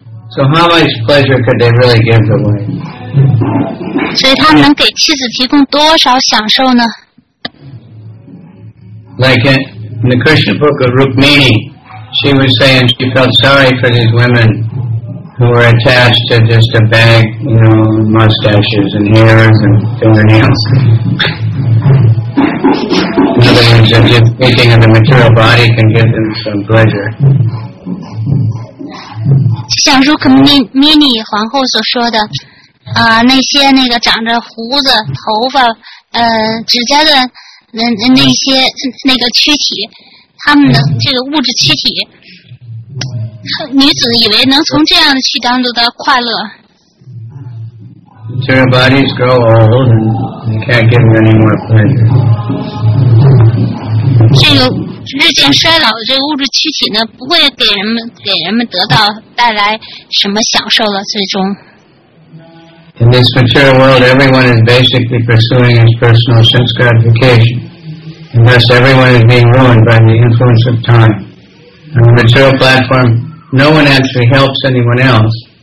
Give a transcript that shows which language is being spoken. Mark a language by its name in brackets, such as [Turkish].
[English] So how much pleasure could they really give away? [Chinese] 所以他们能给妻子提供多少享受呢？ [English] Like in the Krishna book of Rukmini, she was saying she felt sorry for these women who were attached to just a bag, you know, mustaches and hairs and fingernails. other words, they're just thinking of the material body can give them some pleasure. [Chinese] 像 Rukmini 皇后所说的，啊，那些那个长着胡子、头发、指甲的那些那个躯体，他们的这个物质躯体，女子以为能从这样的去当中得到快乐。 [English] Their bodies grow old and you can't give them any more pleasure. [Chinese] 这个日渐衰老的这个物质躯体呢，不会给人们得到带来什么享受了。最终 [English] ，In this material world, everyone is basically pursuing his personal sense gratification, and thus everyone is being ruined by the influence of time. On the material platform, no one actually helps anyone else.